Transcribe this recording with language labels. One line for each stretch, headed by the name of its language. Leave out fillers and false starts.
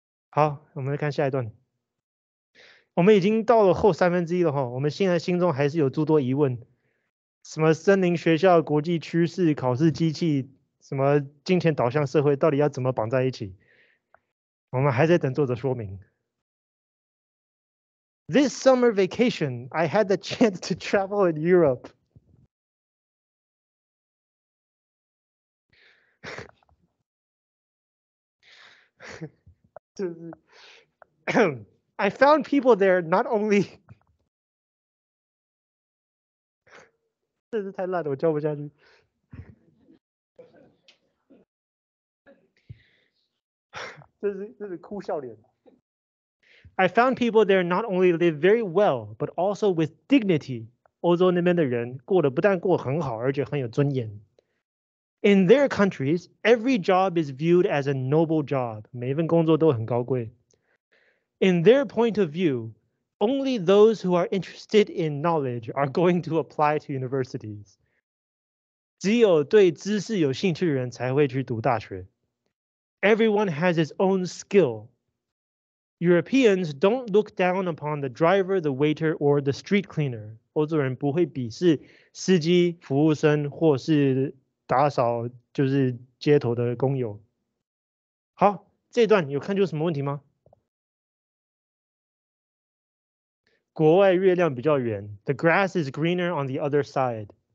Chinese: 好，我们来看下一段。我们已经到了后三分之一了，我们现在心中还是有诸多疑问，什么森林学校、国际趋势、考试机器，什么金钱导向社会，到底要怎么绑在一起？我们还在等作者说明。
English: This summer vacation, I had the chance to travel in Europe.
Chinese: 就是
English: I found people there not only
Chinese: 真是太烂了，我教不下去。这是哭笑脸。
English: I found people there not only live very well, but also with dignity.
Chinese: 欧洲那边的人过得不但过很好，而且很有尊严。
English: In their countries, every job is viewed as a noble job.
Chinese: 每一份工作都很高贵。
English: In their point of view, only those who are interested in knowledge are going to apply to universities.
Chinese: 只有对知识有兴趣的人才会去读大学。
English: Everyone has his own skill. Europeans don't look down upon the driver, the waiter, or the street cleaner.
Chinese: 欧洲人不会鄙视司机、服务生或是打扫就是街头的工友。好，这段有看出什么问题吗？国外月亮比较圆
English: ，The grass is greener on the other side。